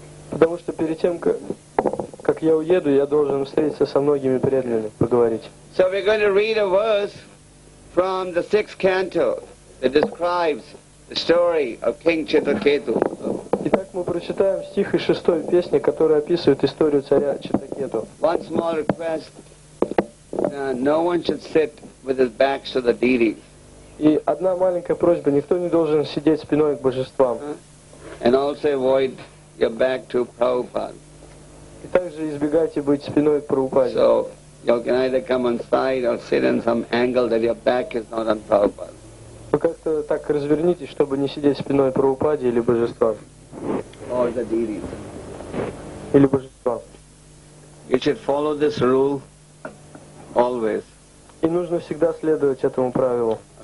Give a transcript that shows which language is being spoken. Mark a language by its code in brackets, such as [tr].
[ru] Потому что перед тем, как я уеду, я должен встретиться со многими преданными, поговорить. [en] So we're going to read a verse from the sixth canto that describes the story of King Chitraketu. [ru] Итак, мы прочитаем стих из шестой песни, который описывает историю царя Читракету. [en] One small request. No one should sit with his back to the deity. [ru] И одна маленькая просьба, никто не должен сидеть спиной к божествам. [en] And also avoid your back to Prabhupada. [ru] И также избегайте быть спиной к Прабхупаде. [en] So you can either come on side or sit in some angle that your back is not on Prabhupada. [ru] Вы как-то так развернитесь, чтобы не сидеть спиной к Прабхупаде или божествам. [en] All the deities. You should follow this rule always. [ru] И нужно всегда следовать этому правилу.